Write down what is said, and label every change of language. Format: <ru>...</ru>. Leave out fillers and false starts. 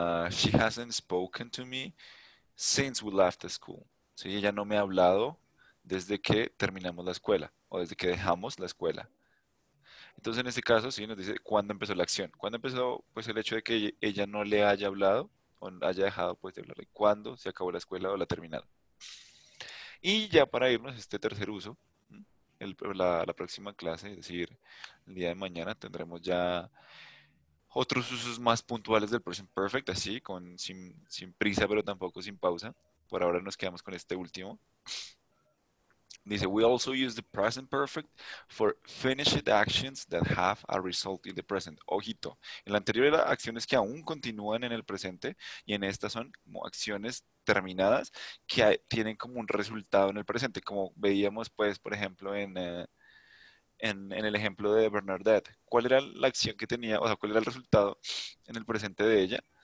<en>She hasn't spoken to me since we left the school.</en> <es>Sí, ella no me ha hablado desde que terminamos la escuela o desde que dejamos la escuela. Entonces, en este caso, sí, nos dice cuándo empezó la acción. ¿Cuándo empezó, pues, el hecho de que ella no le haya hablado? O haya dejado pues de hablarle cuando se acabó la escuela o la terminada. Y ya para irnos a este tercer uso, la próxima clase, es decir, el día de mañana tendremos ya otros usos más puntuales del present perfect, así, sin prisa, pero tampoco sin pausa. Por ahora nos quedamos con este último. Dice,</es> <en>we also use the present perfect for finished actions that have a result in the present.</en> <es>Ojito, en la anterior eran acciones que aún continúan en el presente y en esta son como acciones terminadas que tienen como un resultado en el presente. Como veíamos, pues, por ejemplo, en el ejemplo de Bernadette. ¿Cuál era la acción que tenía? O sea, ¿cuál era el resultado en el presente de ella?</es>